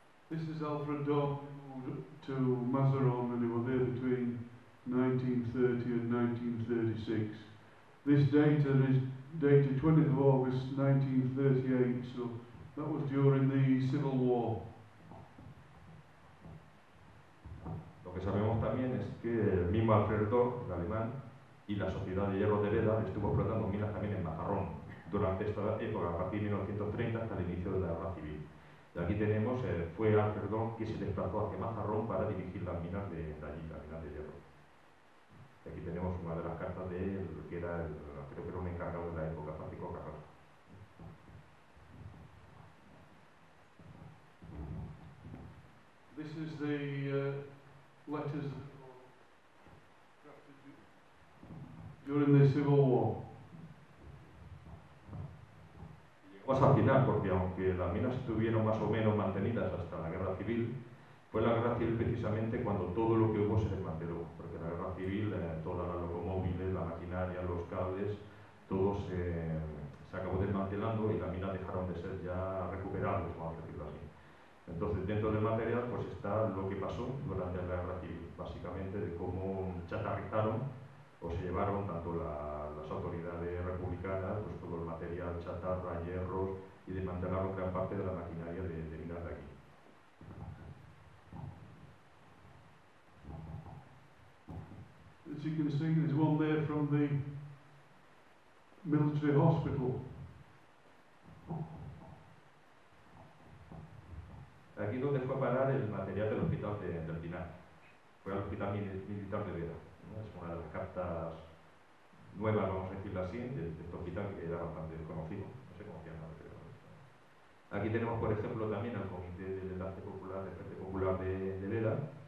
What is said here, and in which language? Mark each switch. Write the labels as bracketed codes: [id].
[en] This is Alfred Dorn to Mazarin, and he was there between 1930 and 1936. This data is dated 20th of August 1938, so that was during the Civil War. [es] Lo que sabemos también es que el mismo Alfred Dorn, el alemán, y la sociedad de hierro de Bédar estuvo explotando minas también en Mazarrón durante esta época, a partir de 1930 hasta el inicio de la guerra civil. Y aquí tenemos, fue Alfred Dorn quien se desplazó hacia Mazarrón para dirigir las minas de allí, las minas de hierro. Y aquí tenemos una de las cartas de él, que era, creo que era un encargado de la época, Francisco Carrasco. [en] This is the letters drafted during the Civil War. [es] Llegamos al final, porque aunque las minas estuvieron más o menos mantenidas hasta la Guerra Civil, fue la Guerra Civil precisamente cuando todo lo que hubo se desmanteló. Porque en la Guerra Civil, todas las locomóviles, la maquinaria, los cables, todo se acabó desmantelando y las minas dejaron de ser ya recuperables, vamos a decirlo así. Entonces, dentro del material, pues está lo que pasó durante la Guerra Civil, básicamente de cómo chatarrizaron o se llevaron tanto las autoridades republicanas, pues todo el material, chatarra, hierros, y desmantelaron gran parte de la maquinaria de minas de aquí. [en] As you can see, there's one there from the military hospital. [es] Aquí donde fue a parar el material del hospital del Pinar. Fue al hospital militar de Vera. Es una de las cartas nuevas, vamos a decirlo así, de este hospital que era bastante desconocido. No se conocía nada, pero... Aquí tenemos, por ejemplo, también al Comité del Enlace Popular, del Frente Popular de Vera.